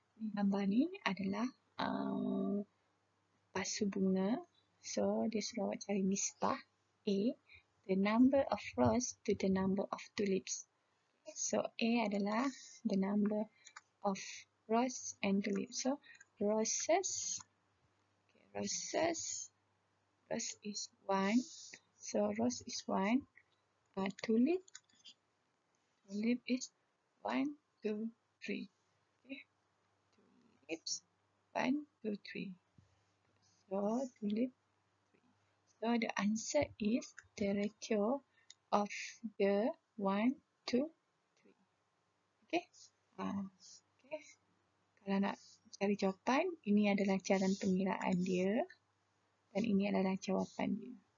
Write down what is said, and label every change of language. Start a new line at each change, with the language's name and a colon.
Malay: Gambar ni adalah pasu bunga. So, dia suruh awak cari misbah.
English: A, the number of rose to the number of tulips. So, A adalah the number of rose and tulips. So, roses, okay, roses, rose is 1. So, rose is 1. Tulip is 1, 2, 3. Okay. Tulips, 1, 2, 3. So, tulip, 3. So, the answer is the ratio of the 1, 2, okay.
Malay: Kalau nak cari jawapan, ini adalah cara pengiraan dia dan ini adalah jawapan dia.